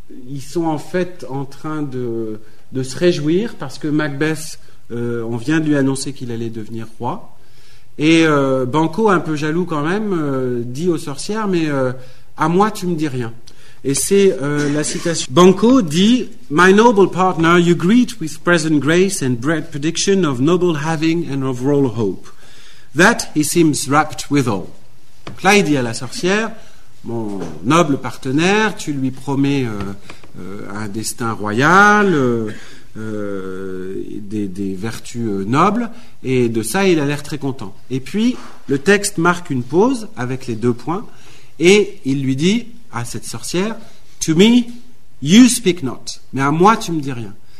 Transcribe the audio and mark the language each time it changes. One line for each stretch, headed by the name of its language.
French: Ils sont en fait en train de se réjouir parce que Macbeth, on vient de lui annoncer qu'il allait devenir roi. Et Banquo, un peu jaloux quand même, dit aux sorcières, mais à moi tu me dis rien. Et c'est la citation. Banquo dit:
English: My noble partner, you greet with present grace and bright prediction of noble having and of royal hope. That he seems rapt withal.
French: Donc là, il dit à la sorcière: mon noble partenaire, tu lui promets un destin royal, des vertus nobles, et de ça il a l'air très content. Et puis le texte marque une pause avec les deux points, et il lui dit à cette sorcière:
English: to me you speak not,
French: mais à moi tu me dis rien.